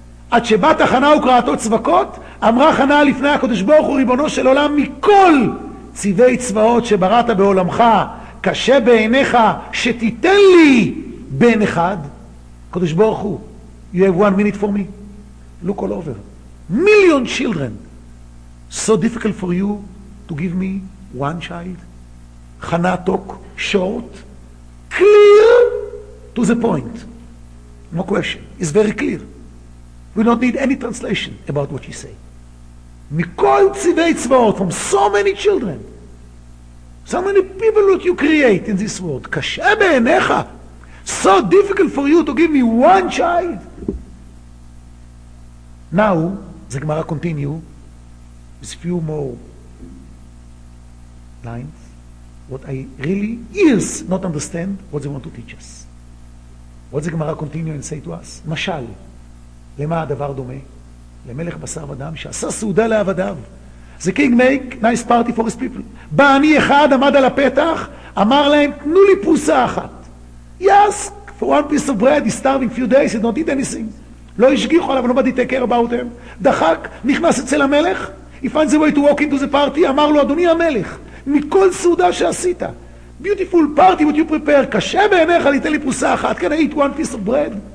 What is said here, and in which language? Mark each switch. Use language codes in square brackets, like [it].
[he] עד שבאת חנה וקראתו צבקות, אמרה חנה לפני הקדוש ברוך הוא ריבונו של עולם, מכל צבעי צבאות שבראת בעולמך, קשה בעיניך, שתיתן לי בן אחד. [en] קדוש ברוך הוא, you have one minute for me. Look all over. Million children. So difficult for you to give me one child. חנה talk short. Clear to the point. No question. It's very clear. We don't need any translation about what you say. [he] Mikol tzivei tzvaot, [en] from so many children, so many people that you create in this world, [he] kashe be'enecha, [en] so difficult for you to give me one child. Now, the Gemara continue with a few more lines, what I really ears not understand what they want to teach us. What the Gemara continue and say to us? Mashal. [he] למה הדבר דומה? למלך בשר ודם שעשה סעודה לעבדיו. [en] The king make nice party for his people. [he] בא אני אחד, עמד על הפתח, אמר להם, תנו לי פרוסה אחת. [en] He asked for one piece of bread, he's starving few days, he don't eat anything. [he] לא השגיחו עליו, [en] nobody take care about him. [he] דחק, נכנס אצל המלך, [en] he finds a way to walk into the party, [he] אמר לו, אדוני המלך, מכל סעודה שעשית, [en] beautiful party would you prepare, [he] קשה בעיניך, ליתן לי פרוסה אחת, [en] can I eat one piece of bread?